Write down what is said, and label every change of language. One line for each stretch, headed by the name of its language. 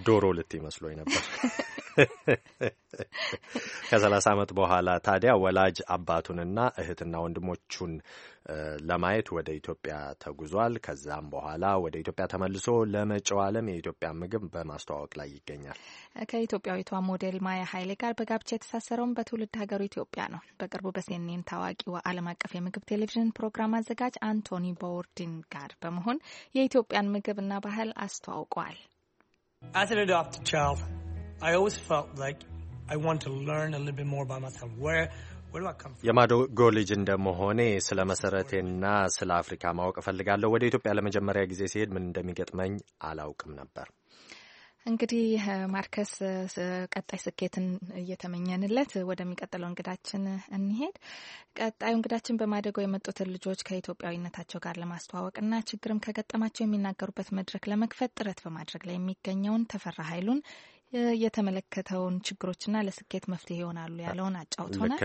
Amharic: ዶሮ ልት ይመስሎኝ ነበር። ከ30 ዓመት በኋላ ታዲያ ወላጅ አባቱንና እህትና ወንድሞቹን ለማየት ወደ ኢትዮጵያ ተጉዟል። ከዛም በኋላ ወደ ኢትዮጵያ ተመልሶ ለመጪው ዓለም የኢትዮጵያ ምግብ በማስተዋወቅ ላይ ይገኛል። ከኢትዮጵያዊቷ ሞዴል ማያ ኃይሌ ጋር በጋብቻ የተሳሰረውም በትውልድ ሀገሩ ኢትዮጵያ ነው። በቅርቡ በሲኤንኤን ታዋቂው ዓለም አቀፍ የምግብ ቴሌቪዥን ፕሮግራም አዘጋጅ አንቶኒ ቦርዲን ጋር በመሆን የኢትዮጵያን ምግብና ባህል አስተዋውቋል።
English: As an adopted child, I always felt like I want to learn a little bit more by myself. Where do I come from?
Amharic: የማደጎ ልጅ እንደመሆኔ ስለ መሰረቴና ስለ አፍሪካ ማወቅ ፈልጋለሁ። ወደ ኢትዮጵያ ለመጀመሪያ ጊዜ ሲሄድ ምን እንደሚገጥመኝ አላውቅም ነበር። እንግዲህ ማርከስ ቀጣይ ስኬትን እየተመኘንለት ወደሚቀጥለው እንግዳችን እንሄድ። ቀጣዩ እንግዳችን በማደጎ የመጡትን ልጆች ከኢትዮጵያዊነታቸው ጋር ለማስተዋወቅና ችግርም ከገጠማቸው የሚናገሩበት መድረክ ለመክፈት ጥረት በማድረግ ላይ የሚገኘውን ተፈራ ኃይሉን የተመለከተውን ችግሮችና ለስኬት መፍትሄ ይሆናሉ ያለውን አጫውቶናል።